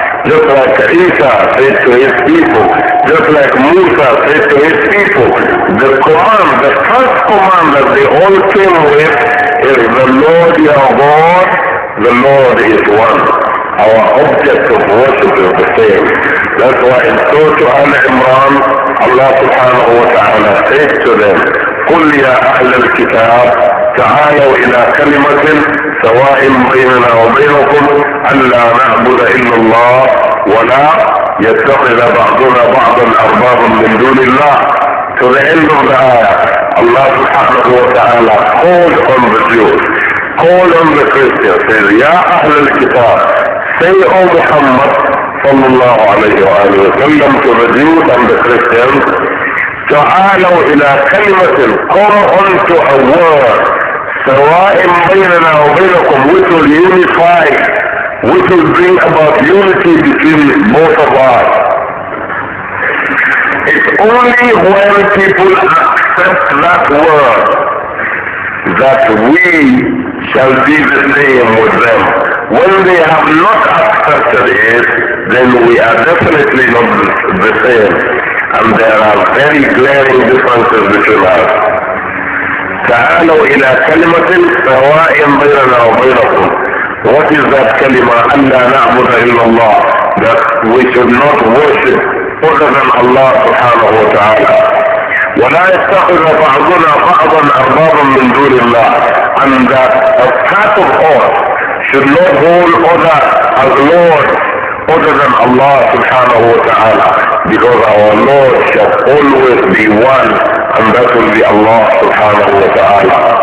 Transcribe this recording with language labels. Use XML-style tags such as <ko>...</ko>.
<en>Just like Isa said to his people, just like Musa said to his people, the command, the first command that they all came with is the Lord your God, the Lord is one. Our object of worship is the same. That's why in Surah Al-Imran, Allah subhanahu wa ta'ala says to them,</en> <ar>قُلْ يَا أَهْلَ الْكِتَابِ تَعَالَوْا إِلَىٰ كَلِمَةٍ سَوَاءٍ بَيْنَنَا وَبَيْنَكُمْ أَلَّا نَعْبُدَ إِلَّا اللَّهِ وَلَا يَتَّخِذَ بَعْضُنَا بَعْضًا أَرْبَابًا مِنْ دُونِ اللَّهِ.</ar> <en>To the end of the ayah, Allah subhanahu wa ta'ala called on the Jews, called on the Christians, says,</en> <ar>يَا أَهْلَ الْكِتَابِ</ar> <en>say, O Muhammad,</en> <ar>صلى الله عليه وآله وسلم,</ar> <en>to the Jews and the Christians,</en> <ar>تعالوا إلى كلمة,</ar> <en>come unto a word,</en> <ar>سواء بيننا وبينكم,</ar> <en>which will unify, which will bring about unity between both of us. It's only when people accept that word that we shall be the same with them. When they have not accepted it, then we are definitely not the same. And there are very glaring differences between us.</en> <ar>تعالوا إلى كلمة سواء بيننا وبينكم.</ar> <en>What is that كلمة?</en> <ar>أن لا نعبد إلا الله.</ar> <en>That we should not worship other than Allah</en> <ar>سبحانه وتعالى. ولا يتخذ بعضنا بعضا أربابا من دون الله.</ar> <en>And that a part of us should not hold other as Lord other than Allah subhanahu wa ta'ala, because our Lord shall always be one, and that will be Allah subhanahu wa ta'ala.</en>